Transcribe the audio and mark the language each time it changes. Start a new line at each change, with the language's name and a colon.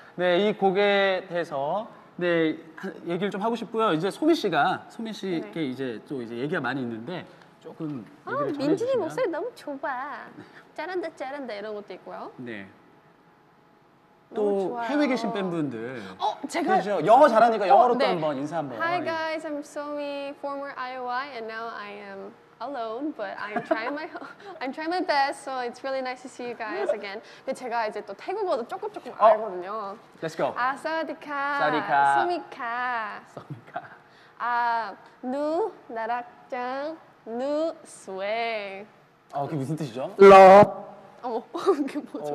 Korean: 네, 이 곡에 대해서, 네, 얘기를 좀 하고 싶고요. 이제 소민 씨가, 소민 씨께 네. 이제 또 이제 얘기가 많이 있는데, 조금. 아, 민진이 목소리 너무 좁아. 짜란다, 짜란다, 이런 것도 있고요. 네. 또 해외 계신 팬분들. 어, 제가 그렇죠? 영어 잘하니까 영어로 또 한번 인사 한번.
English: Hi guys, I'm Somi, former IOI, and now I am alone, but I'm trying my I'm trying my best. So it's really nice to see you guys again.
Korean: 근데 제가 이제 또 태국어도 조금 알거든요.
English: Let's go. 아사디카. 사디카. 소미카. 소미카. 아, 누 나락장 누 스웨.
Korean: 아, 그게 무슨 뜻이죠? 러. 어머, 그게 뭐죠?